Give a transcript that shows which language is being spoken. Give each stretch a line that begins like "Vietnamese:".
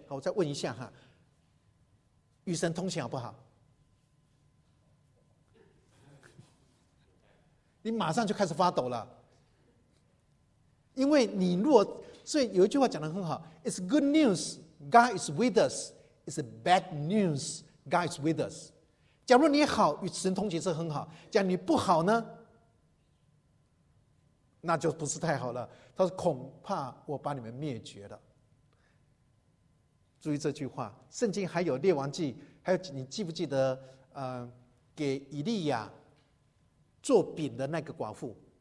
Chinese: 好，我再问一下哈，与神通行好不好？你马上就开始发抖了，因为你若，所以有一句话讲得很好，
English: It's good news, God is with us. It's bad news, God is with us.
Chinese: 假如你好，与神通行是很好，假如你不好呢，那就不是太好了。他说恐怕我把你们灭绝了。注意这句话，圣经还有列王记，还有你记不记得给以利亚做饼的那个寡妇，